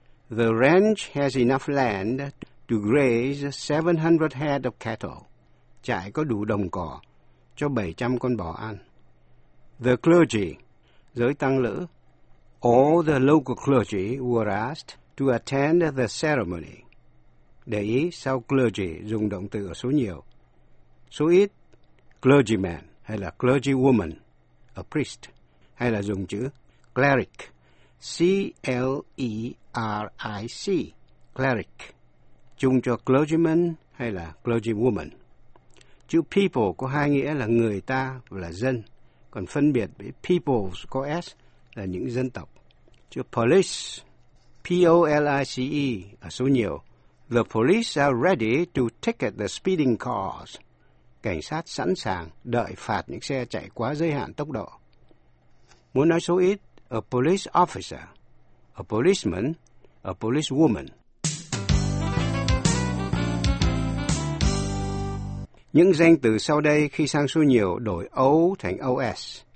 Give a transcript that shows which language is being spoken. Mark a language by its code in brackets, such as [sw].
[en] The ranch has enough land to graze 700 head of cattle. [vi] Trại có đủ đồng cỏ cho 700 con bò ăn. The clergy, giới tăng lữ. [en] All the local clergy were asked to attend the ceremony. [vi] Để ý sau clergy dùng động từ ở số nhiều. Số ít, clergyman hay là clergywoman, a priest, hay là dùng chữ cleric, C-L-E-R-I-C, cleric, chung cho clergyman hay là clergywoman. Chữ people có hai nghĩa là người ta và là dân, còn phân biệt với peoples có S là những dân tộc. Chữ police, P-O-L-I-C-E, ở số nhiều. [en] The police are ready to ticket the speeding cars. [vi] Cảnh sát sẵn sàng đợi phạt những xe chạy quá giới hạn tốc độ. Muốn nói số ít, a police officer, a policeman, a policewoman. Những danh từ sau đây khi sang số nhiều đổi O thành OS.